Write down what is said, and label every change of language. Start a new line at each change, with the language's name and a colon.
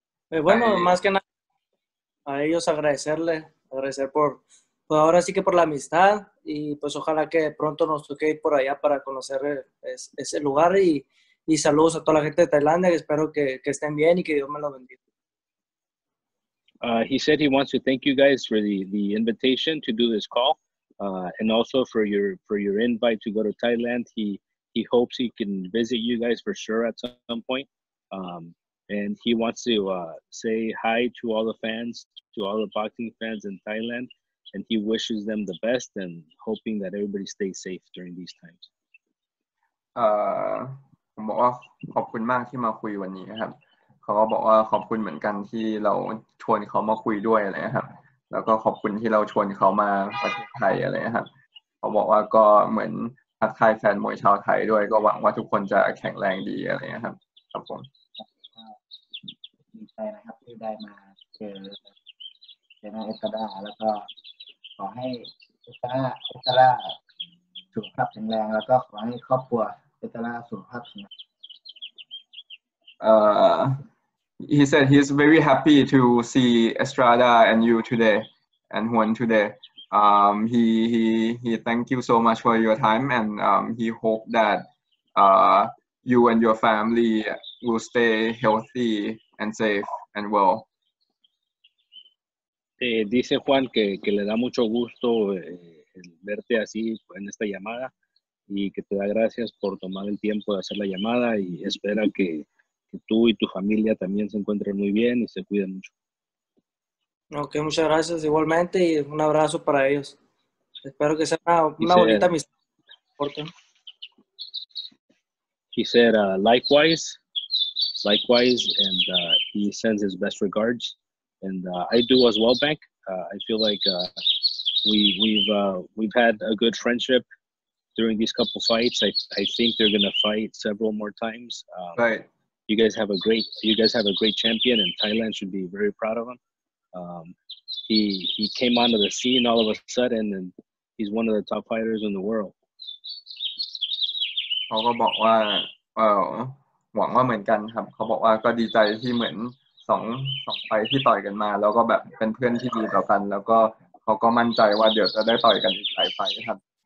Spanish: Bueno, más que nada a ellos agradecer por ahora sí que por la amistad y pues ojalá que pronto nos toque ir por allá para conocer ese lugar y saludos a toda la gente de Tailandia, espero que estén bien y que Dios me lo bendiga.
English: He said he wants to thank you guys for the invitation to do this call and also for your invite to go to Thailand. He hopes he can visit you guys for sure at some point. And he wants to say hi to all the fans, to all the boxing fans in Thailand, and he wishes them the best and hoping that everybody stays safe during these times.
Thai: ผมบอกว่าขอบคุณมากที่มาคุยวันนี้ครับเขาก็บอกว่าขอบคุณเหมือนกันที่เราชวนเขามาคุยด้วยอะไรครับแล้วก็ขอบคุณที่เราชวนเขามาประเทศไทยอะไรครับเขาบอกว่าก็เหมือนทักทายแฟนมวยชาวไทยด้วยก็หวังว่าทุกคนจะแข็งแรงดีอะไรครับครับผม ดีใจนะครับที่ได้มาเจอนายเอสตราแล้วก็ขอให้เอสตราสุขภาพแข็งแรงแล้วก็ขอให้ครอบครัวเอสตราสุขภาพแข็งแรง
English: He said he's very happy to see Estrada and you today and Juan today. He thank you so much for your time and he hope that you and your family will stay healthy and safe and well.
Spanish: Dice Juan que le da mucho gusto verte así en esta llamada y que te da gracias por tomar el tiempo de hacer la llamada y espera que tú y tu familia también se encuentren muy bien y se cuiden mucho. Ok, muchas gracias igualmente y un abrazo para ellos. Espero que sea una bonita amistad.
English: He said likewise, and he sends his best regards, and I do as well, Bank. I feel like we've had a good friendship during these couple fights. I think they're gonna fight several more times. Right. You guys have a great champion, and Thailand should be very proud of him. He came onto the scene all of a sudden, and he's one of the top fighters in the world.
Thai: เขาก็บอกว่าหวังว่าเหมือนกันครับเขาบอกว่าก็ดีใจที่เหมือนสองไฟที่ต่อยกันมาแล้วก็แบบเป็นเพื่อนที่ดีต่อกันแล้วก็เขาก็มั่นใจว่าเดี๋ยวจะได้ต่อยกันอีกหลายไฟครับ